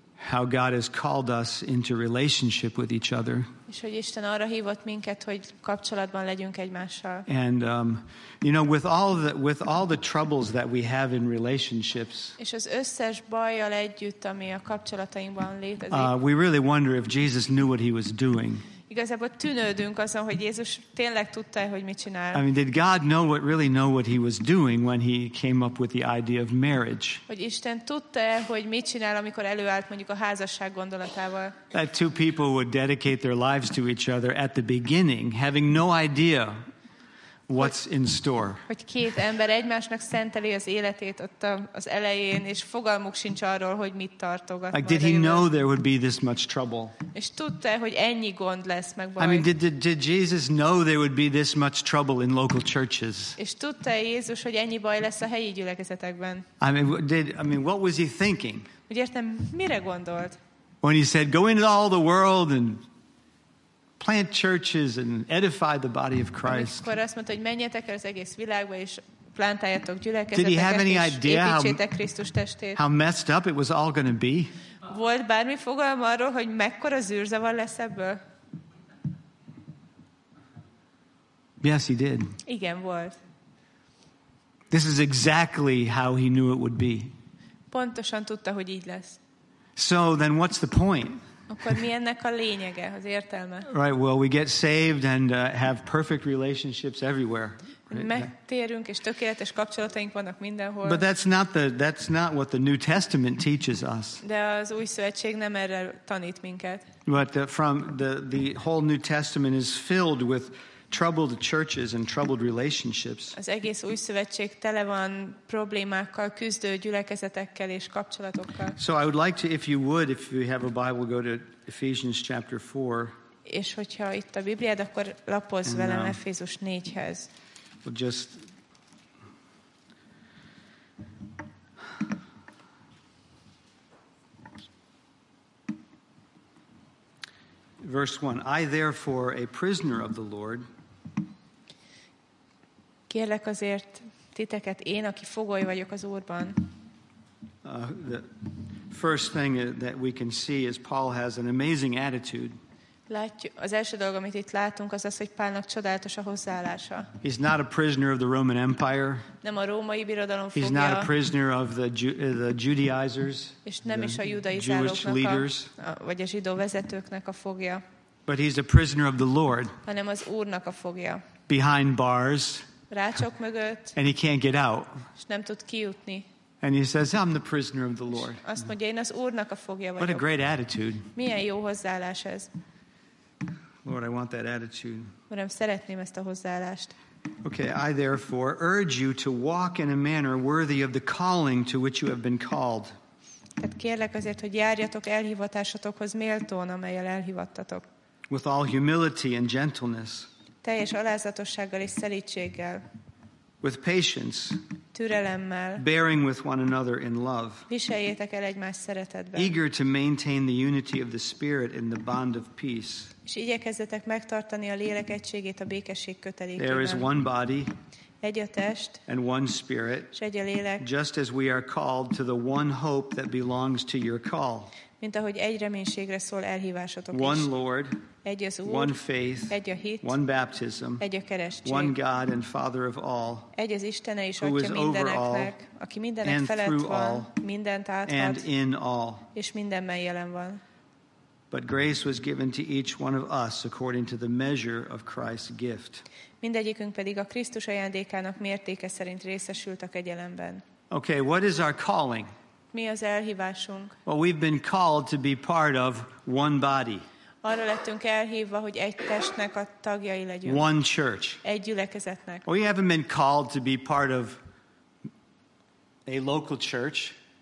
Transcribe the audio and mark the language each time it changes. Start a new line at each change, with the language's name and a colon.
English: How God has called us into relationship with each other.
Hungarian: És hogy Isten arra hívott minket, hogy kapcsolatban legyünk egymással.
English: And you know, with all the troubles that we have in relationships.
Hungarian: És az összes bajjal együtt, ami a kapcsolatainkban létezik.
English: We really wonder if Jesus knew what he was doing.
Hungarian: Igazából tűnődünk azon, hogy Jézus tényleg tudta, hogy mit csinál.
English: I mean, did God really know what he was doing when he came up with the idea of marriage?
Hungarian: Hogy Isten tudta, hogy mit csinál, amikor előállt mondjuk a házasság gondolatával?
English: That two people would dedicate their lives to each other at the beginning, having no idea what's in store.
Hungarian: Hogy két ember egymásnak szenteli az életét ott az elején, és fogalmuk sincs arról, hogy mit tartogat.
English: Like, did he know there would be this much trouble?
Hungarian: És tudta, hogy ennyi gond lesz meg baj.
English: I mean, did Jesus know there would be this much trouble in local churches?
Hungarian: És tudta Jézus, hogy ennyi baj lesz a helyi gyülekezetekben?
English: I mean, what was he thinking?
Hungarian: Úgy értem, mire gondolt?
English: When he said, go into all the world and plant churches and edify the body of Christ.
Hungarian: Amikor azt mondta, hogy menjetek el az egész világba és plántáljatok gyülekezeteket.
English: Did he have any idea how messed up it was all going to be?
Hungarian: Volt bármi fogalma arról, hogy mekkora zűrzavar lesz ebből?
English: Yes, he did.
Hungarian: Igen, volt.
English: This is exactly how he knew it would be.
Hungarian: Pontosan tudta, hogy így lesz.
English: So then what's the point?
Hungarian: Akkor mi ennek a lényege, az értelme?
English: Right, well, we get saved and have perfect relationships everywhere.
Hungarian: Megtérünk, és tökéletes kapcsolataink vannak mindenhol.
English: But that's not what the New Testament teaches us.
Hungarian: De az Új Szövetség nem erre tanít minket.
English: But from the whole New Testament is filled with troubled churches and troubled relationships.
Hungarian: Az egész Új Szövetség tele van problémákkal, küzdő gyülekezetekkel és kapcsolatokkal.
English: So I would like to, if you have a Bible, go to Ephesians chapter 4.
Hungarian: És hogyha itt a Bibliád, akkor lapozz velem Efézus 4-hez.
English: We'll just verse 1. I therefore, a prisoner of the Lord,
Hungarian: Kérlek azért titeket, én, aki fogoly vagyok az Úrban.
English: The first thing that we can see is Paul has an amazing attitude.
Hungarian: Az első dolog, amit itt látunk, az az, hogy Pálnak csodálatos a hozzáállása.
English: He's not a prisoner of the Roman Empire.
Hungarian: Nem a római birodalom fogja.
English: He's not a prisoner of the Judaizers.
Hungarian: És nem is a judaizálóknak, vagy a zsidó vezetőknek a fogja.
English: But he's a prisoner of the Lord.
Hungarian: Hanem az Úrnak a fogja.
English: Behind bars.
Hungarian: Rácsok mögött.
English: And he can't get out.
Hungarian: És nem tud kijutni.
English: And he says, I'm the prisoner of the Lord.
Hungarian: Azt mondja, én az Úrnak a fogja vagyok.
English: What a great attitude.
Hungarian: Milyen jó hozzáállás ez.
English: Lord, I want that attitude.
Hungarian: Uram, szeretném ezt a hozzáállást.
English: Okay, I therefore urge you to walk in a manner worthy of the calling to which you have been called.
Hungarian: Tehát kérlek azért, hogy járjatok elhivatásotokhoz méltón, amelyel elhivattatok.
English: With all humility and gentleness.
Hungarian: Teljes alázatossággal és szelídséggel.
English: With patience.
Hungarian: Türelemmel.
English: Bearing with one another in love.
Hungarian: Viseljétek el egymást szeretetben.
English: Eager to maintain the unity of the Spirit in the bond of peace.
Hungarian: És igyekezzetek megtartani a lélek egységét a békesség kötelékében.
English: There is one body.
Hungarian: Egy a test.
English: And one spirit.
Hungarian: És egy a lélek.
English: Just as we are called to the one hope that belongs to your call.
Hungarian: Mint ahogy egy reménységre szól elhívásotok is.
English: One Lord.
Hungarian: Egy az Úr.
English: One faith.
Hungarian: Egy a hit.
English: One baptism.
Hungarian: Egy a keresztség.
English: One God and Father of all.
Hungarian: Egy az Istene és Atya mindeneknek, aki mindenek felett van, mindent átad,
English: and in all.
Hungarian: És mindenben jelen van.
English: But grace was given to each one of us according to the measure of Christ's gift.
Hungarian: Mindegyikünk pedig a Krisztus ajándékának mértéke szerint részesült a kegyelemben.
English: Okay, what is our calling?
Hungarian: Mi az elhívásunk?
English: Well, we've been called to be part of one body.
Hungarian: Arra lettünk elhívva, hogy egy testnek a tagjai legyünk.
English: One church.
Hungarian: Egy gyülekezetnek.
English: We haven't been called to be part of a local church.